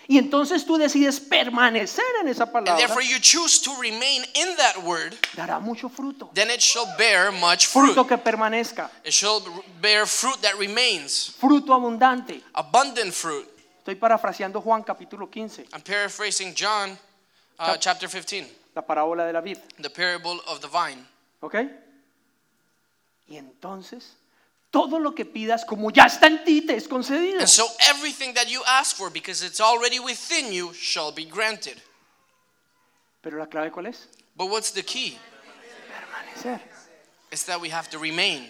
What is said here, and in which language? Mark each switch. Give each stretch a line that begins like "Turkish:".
Spanish: Y entonces tú decides permanecer en esa palabra.
English: And therefore you choose to remain in that word.
Spanish: Dará mucho fruto.
English: Then it shall bear much fruit.
Spanish: Fruto que permanezca.
English: It shall bear fruit that remains.
Spanish: Fruto abundante.
English: Abundant fruit.
Spanish: Estoy parafraseando Juan capítulo 15.
English: I'm paraphrasing John chapter 15.
Spanish: La parábola de la vid.
English: The parable of the vine. Okay.
Spanish: Y entonces todo lo que pidas como ya está en ti te es concedido.
English: And so everything that you ask for because it's already within you shall be granted.
Spanish: ¿Pero la clave cuál es?
English: But what's the key?
Spanish: Permanecer.
English: It's that we have to remain.